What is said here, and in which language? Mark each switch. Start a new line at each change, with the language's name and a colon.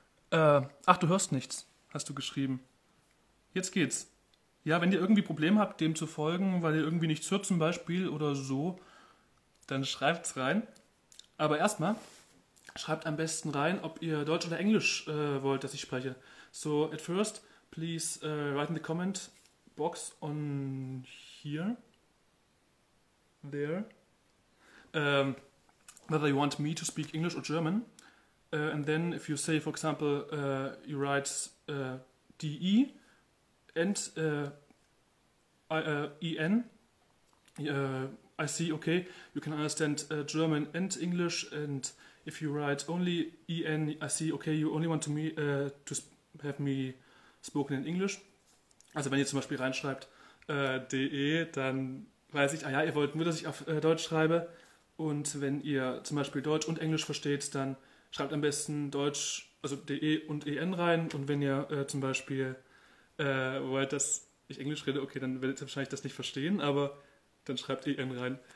German: Ach, du hörst nichts, hast du geschrieben. Jetzt geht's. Ja, wenn ihr irgendwie Probleme habt, dem zu folgen, weil ihr irgendwie nichts hört zum Beispiel oder so, dann schreibt's rein. Aber erstmal, schreibt am besten rein, ob ihr Deutsch oder Englisch wollt, dass ich spreche.
English: So, at first, please write in the comment box on here, there, whether you want me to speak English or German. And then if you say, for example, you write DE and EN, I see, okay, you can understand German and English. And if you write only EN, I see, okay, you only want have me spoken in English.
German: Also wenn ihr zum Beispiel reinschreibt DE, dann weiß ich, ah ja, ihr wollt nur, dass ich auf Deutsch schreibe. Und wenn ihr zum Beispiel Deutsch und Englisch versteht, dann schreibt am besten Deutsch, also DE und EN rein. Und wenn ihr zum Beispiel wollt, dass ich Englisch rede, okay, dann werdet ihr wahrscheinlich das nicht verstehen, aber dann schreibt EN rein.